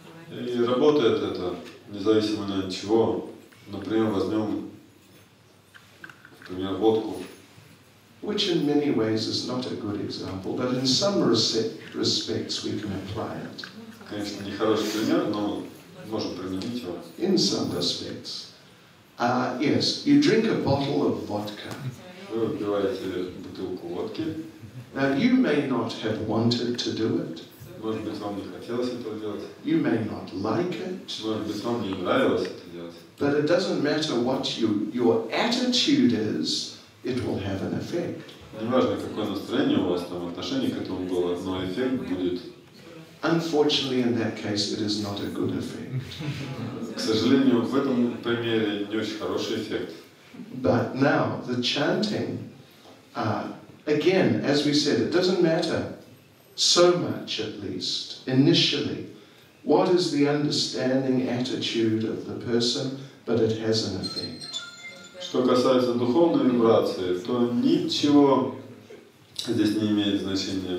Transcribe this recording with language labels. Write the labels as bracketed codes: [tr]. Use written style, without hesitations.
[ru] И работает это, независимо от чего. Например, возьмем, например, водку. [en] Which in many ways is not a good example, but in some respects we can apply it. [ru] Конечно, не хороший пример, но можем применить его. [en] In some respects. Yes, you drink a bottle of vodka. [ru] Вы выпиваете бутылку водки. [en] Now you may not have wanted to do it. [ru] Может быть, вам не хотелось этого делать. [en] You may not like it. [ru] Может быть, вам не нравилось это делать. [en] But it doesn't matter what your attitude is, it will have an effect. [ru] Не важно, какое настроение у вас там, отношение к этому было, но эффект будет. [en] Unfortunately, in that case, it is not a good effect. [ru] К сожалению, в этом примере не очень хороший эффект. [en] But now, the chanting, again, as we said, it doesn't matter. So much, at least, initially. What is the understanding attitude of the person, but it has an effect. [ru] Что касается духовной вибрации, то ничего здесь не имеет значения.